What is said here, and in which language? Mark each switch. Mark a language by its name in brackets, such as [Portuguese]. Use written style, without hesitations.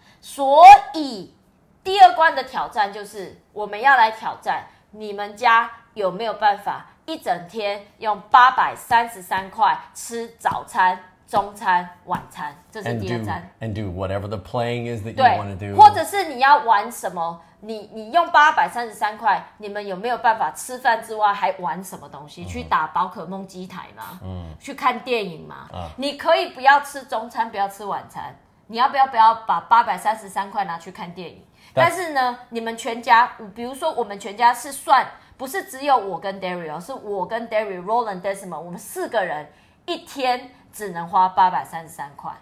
[Chinese] 所以第二关的挑战就是我们要来挑战你们家有没有办法一整天用833块吃早餐、中餐、晚餐，这是第二餐。 [English] And do whatever the playing is that you want to do. [Chinese] 或者是你要玩什么？你用833块，你们有没有办法吃饭之外还玩什么东西？去打宝可梦机台吗？去看电影吗？你可以不要吃中餐，不要吃晚餐，你要不要把833块拿去看电影？但是呢，你们全家，比如说我们全家是算不是只有我跟 Daryl， 是我跟 Daryl、Roland、Desmond， 我们四个人一天只能花833块。